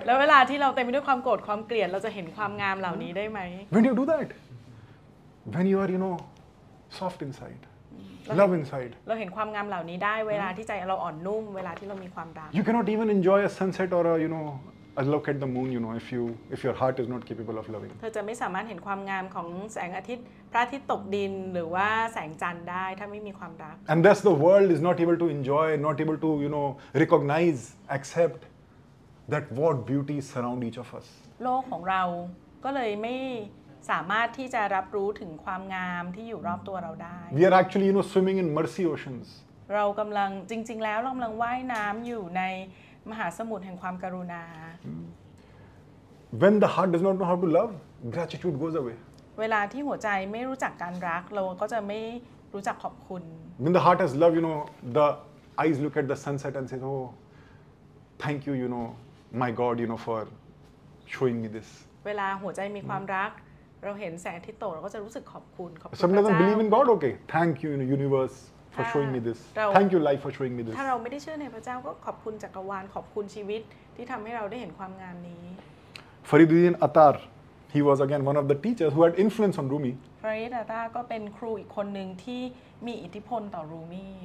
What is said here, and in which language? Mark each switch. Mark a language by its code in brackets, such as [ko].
[th] แล้วเวลาที่เราเต็มไปด้วยความโกรธความเกลียดเราจะเห็นความงามเหล่านี้ได้ไหม [en] When you do that when you are you know soft insideLove inside. [th] เราเห็นความงามเหล่านี้ได้เวลาที่ใจเราอ่อนนุ่มเวลาที่เรามีความรัก [en] You cannot even enjoy a sunset or a you know a look at the moon you know if your heart is not capable of loving. [th] เธอจะไม่สามารถเห็นความงามของแสงอาทิตย์พระอาทิตย์ตกดินหรือว่าแสงจันทร์ได้ถ้าไม่มีความรัก [en] And thus the world is not able to enjoy, not able to you know recognize, accept that what beauty surround each of us. [th] โลกของเราก็เลยไม่สามารถที่จะรับรู้ถึงความงามที่อยู่รอบตัวเราได้ [en] We are actually you know swimming in mercy oceans [th] เรากำลังจริงๆแล้วเรากำลังว่ายน้ำอยู่ในมหาสมุทรแห่งความกรุณา [en] When the heart does not know how to love gratitude goes away [th] เวลาที่หัวใจไม่รู้จักการรักเราก็จะไม่รู้จักขอบคุณ [en] When the heart has love you know the eyes look at the sunset and say oh thank you know my god you know for showing me this [th] เวลาหัวใจมีความรักเราเห็นแสงอาทิตย์ตกเราก็จะรู้สึกขอบคุณขอบคุณพระเจ้า [en] Some doesn't believe in God okay thank you universe for showing me this thank you life for showing me this [th] ถ้าเราไม่ได้เชื่อในพระเจ้าก็ขอบคุณจักรวาลขอบคุณชีวิตที่ทำให้เราได้เห็นความงามนี้ [en] Faridudin Attar he was again one of the teachers who had influence on Rumi [th] Faridudin Attar ก็เป็นครูอีกคนนึงที่มีอิทธิพลต่อ Rumi